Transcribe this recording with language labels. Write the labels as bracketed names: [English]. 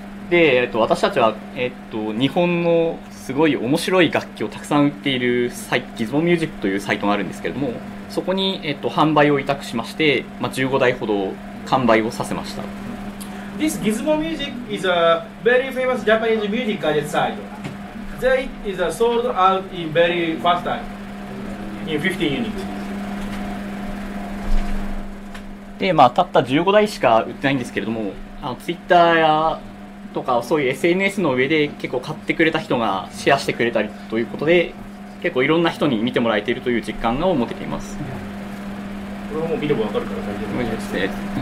[Japanese] で、私たちは、日本のすごい面白い楽器をたくさん売っているサイト、Gizmo Music というサイトがあるんですけれども。そこに、販売を委託しまして、まあ、15台ほど完売をさせました。 [English] This Gizmo Music is a very famous Japanese music gadget site. They is sold out in very fast time, in 15 units. [Japanese] で、まあ、たった15台しか売ってないんですけれども、Twitter やとかそういう SNS の上で結構買ってくれた人がシェアしてくれたりということで、結構いろんな人に見てもらえているという実感を持てています。これはもう見ればわかるから大丈夫です。